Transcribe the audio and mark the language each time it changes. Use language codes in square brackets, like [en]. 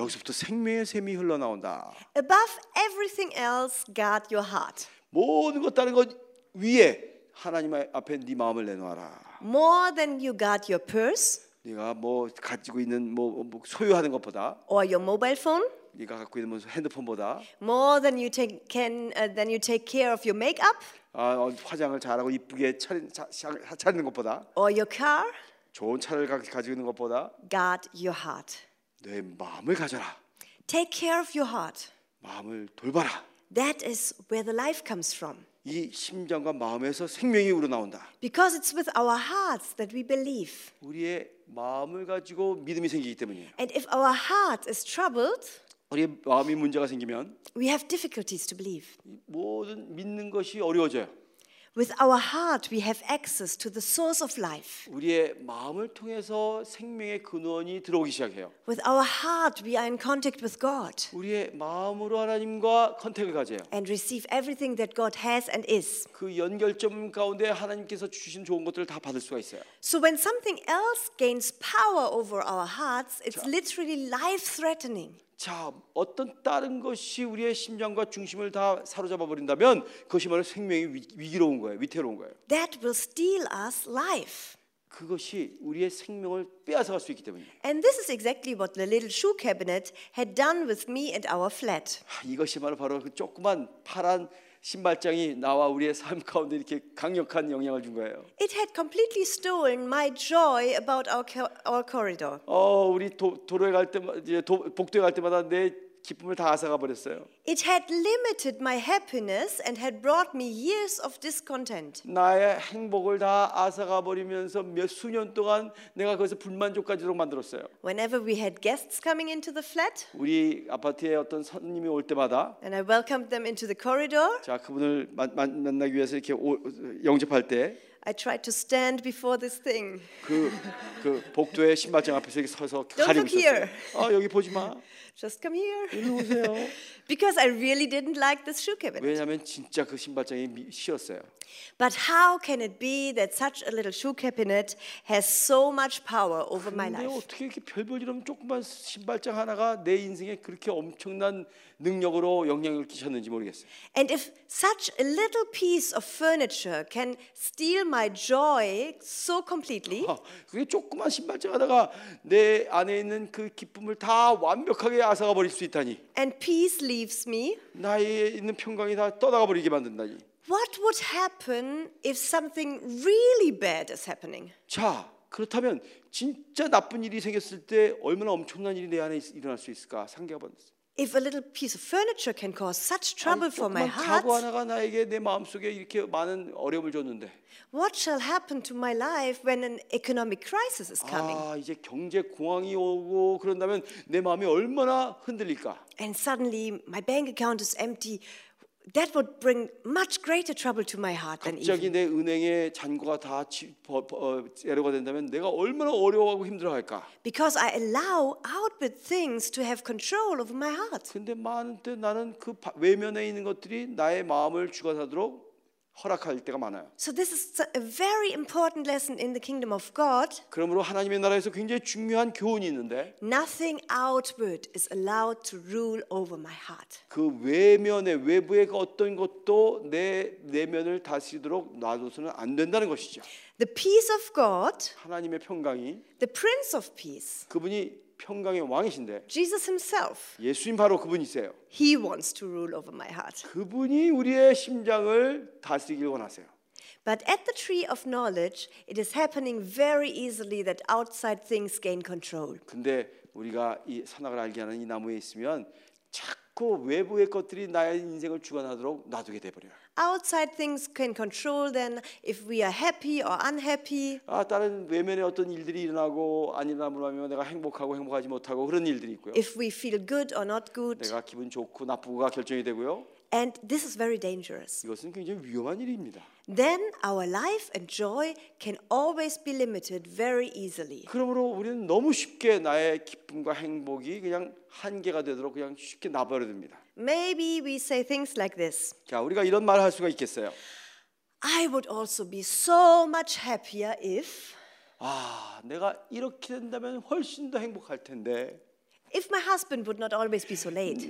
[ko] 여기서부터 생명의 샘이 흘러나온다. [en] Above everything else, guard your heart. [ko] 모든 것 다른 것 위에 하나님 앞에 네 마음을 내놓아라. [en] More than you guard your purse. [ko] 네가 뭐 가지고 있는 뭐 소유하는 것보다. [en] Or your mobile phone. [ko] 네가 갖고 있는 핸드폰보다. [en] More than you take care of your makeup. [ko] 아, 화장을 잘하고 이쁘게 차리는 것보다. [en] Or your car. [ko] 좋은 차를 가지고 있는 것보다. [en] Guard your heart. [ko] 내 마음을 가져라. [en] Take care of your heart. [ko] 마음을 돌봐라. [en] That is where the life comes from. [ko] 이 심장과 마음에서 생명이 우러나온다. [en] Because it's with our hearts that we believe. [ko] 우리의 마음을 가지고 믿음이 생기기 때문이에요. [en] And if our heart is troubled. [ko] 우리 마음이 문제가 생기면 [en] we have difficulties to believe. [ko] 모든 믿는 것이 어려워져요. [en] With our heart we have access to the source of life. [ko] 우리의 마음을 통해서 생명의 근원이 들어오기 시작해요. [en] With our heart we are in contact with God. [ko] 우리의 마음으로 하나님과 컨택을 가져요. [en] And receive everything that God has and is. [ko] 그 연결점 가운데 하나님께서 주신 좋은 것들을 다 받을 수가 있어요. [en] So when something else gains power over our hearts, it's literally life threatening. [ko] 자, 어떤 다른 것이 우리의 심장과 중심을 다 사로잡아 버린다면 그것이 바로 생명이 위기로운 거예요. 위태로운 거예요. [en] That will steal us life. [ko] 그것이 우리의 생명을 빼앗아 갈 수 있기 때문이에요. [en] And this is exactly what the little shoe cabinet had done with me and our flat. [ko] 이것이 바로 그 조그만 파란 신발장이 나와 우리의 삶 가운데 이렇게 강력한 영향을 준 거예요. [en] It had completely stolen my joy about our corridor. [ko] 우리 도로에 갈 때, 이제 복도에 갈 때마다 내 기쁨을 다 앗아가 버렸어요. [en] It had limited my happiness and had brought me years of discontent. [ko] 나의 행복을 다 앗아가 버리면서 몇 수년 동안 내가 거기서 불만족까지도 만들었어요. [en] Whenever we had guests coming into the flat, [ko] 우리 아파트에 어떤 손님이 올 때마다, [en] and I welcomed them into the corridor. [ko] 자, 그분을 만나기 위해서 이렇게 영접할 때, [en] I tried to stand before this thing. [ko] 그 복도의 신발장 앞에서 이렇게 서서 [en] Don't look here. [ko] 여기 보지 마. [en] Just come here. [ko] 이리 오세요. [en] Because I really didn't like this shoe cabinet. [ko] 왜냐하면 진짜 그 신발장이 싫었어요. [en] But how can it be that such a little shoe cabinet has so much power over my life? [ko] 근데 어떻게 이렇게 별별 이런 조그만 신발장 하나가 내 인생에 그렇게 엄청난 능력으로 영향을 끼쳤는지 모르겠어요. [en] And if such a little piece of furniture can steal my joy so completely? [ko] 그게 조그만 신발장 하나가 내 안에 있는 그 기쁨을 다 완벽하게 앗아가 버릴 수 있다니. [en] And peace leaves me? [ko] 나에 있는 평강이 다 떠나가 버리게 만든다니. [en] What would happen if something really bad is happening? [ko] 자, 그렇다면 진짜 나쁜 일이 생겼을 때 얼마나 엄청난 일이 내 안에 일어날 수 있을까? 상기가 번졌어. [en] If a little piece of furniture can cause such trouble for my heart. [ko] 가구 하나가 나에게 내 마음속에 이렇게 많은 어려움을 줬는데. [en] What shall happen to my life when an economic crisis is coming? [ko] 이제 경제 공황이 오고 그런다면 내 마음이 얼마나 흔들릴까? [en] And suddenly my bank account is empty. That would bring much greater trouble to my heart than even. [ko] 갑자기 내 은행에 잔고가 다 제로가 된다면 내가 얼마나 어려워하고 힘들어할까? [en] Because I allow outward things to have control over my heart. [ko] 근데 많은 때 나는 그 외면에 있는 것들이 나의 마음을 주관하도록 허락할 때가 많아요. [en] So this is a very important lesson in the kingdom of God. [ko] 그러므로 하나님의 나라에서 굉장히 중요한 교훈이 있는데. [en] Nothing outward is allowed to rule over my heart. [ko] 그 외면의 외부의 어떤 것도 내 내면을 다스리도록 놔둬서는 안 된다는 것이죠. [en] The peace of God. [ko] 하나님의 평강이. [en] The Prince of Peace. [ko] 그분이 평강의 왕이신데. [en] Jesus himself. [ko] 예수님 바로 그분이세요. [en] He wants to rule over my heart. [ko] 그분이 우리의 심장을 다스리길 원하세요. [en] But at the tree of knowledge, it is happening very easily that outside things gain control. [ko] 근데 우리가 이 선악을 알게 하는 이 나무에 있으면 자꾸 외부의 것들이 나의 인생을 주관하도록 놔두게 돼 버려요. [en] Outside things can control then if we are happy or unhappy. [ko] 다른 외면에 어떤 일들이 일어나고 아니라면 내가 행복하고 행복하지 못하고 그런 일들이 있고요. [en] If we feel good or not good. [ko] 내가 기분 좋고 나쁘고가 결정이 되고요. [en] And this is very dangerous. [ko] 이것은 굉장히 위험한 일입니다. [en] Then our life and joy can always be limited very easily. [ko] 그러므로 우리는 너무 쉽게 나의 기쁨과 행복이 그냥 한계가 되도록 그냥 쉽게 놔버립니다. [en] Maybe we say things like this. [ko] 자, 우리가 이런 말을 할 수가 있겠어요. [en] I would also be so much happier if. [ko] 내가 이렇게 된다면 훨씬 더 행복할 텐데. [en] If my husband would not always be so late.